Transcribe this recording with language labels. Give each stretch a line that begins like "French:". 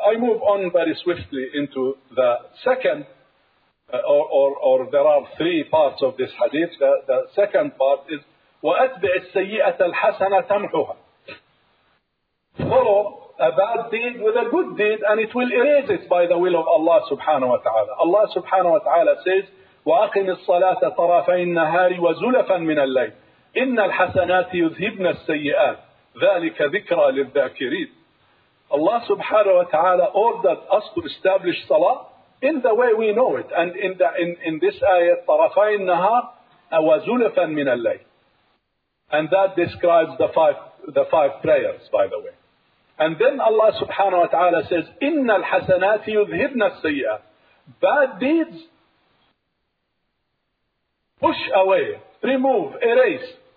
English: I move on very swiftly into the second, or there are three parts of this hadith. The second part is,
Arabic: وَأَتْبِعِ السَّيِّئَةَ الْحَسَنَةَ تَمْحُهَا.
English: Follow a bad deed with a good deed, and it will erase it by the will of Allah subhanahu wa ta'ala. Allah subhanahu wa ta'ala says,
Arabic: وَأَقِمِ الصَّلَاةَ طَرَفَيِ النَّهَارِ وَزُلَفًا مِنَ اللَّيْلِ إِنَّ الْحَسَنَاتِ يُذْهِبْنَ السَّيِّئَاتِ ذَلِكَ ذِكْرَى لِلذَّاكِرِينَ.
English: Allah subhanahu wa ta'ala ordered us to establish salah in the way we know it. And in this ayat,
Arabic: طَرَفَيِ النَّهَارِ وَزُلَفًا مِنَ اللَّيْلِ.
English: And that describes the five prayers, by the way. And then Allah subhanahu wa ta'ala says,
Arabic: إِنَّ الْحَسَنَاتِ يُذْهِبْنَ السَّيِّئَاتِ.
English: Bad deeds push away, remove, erase.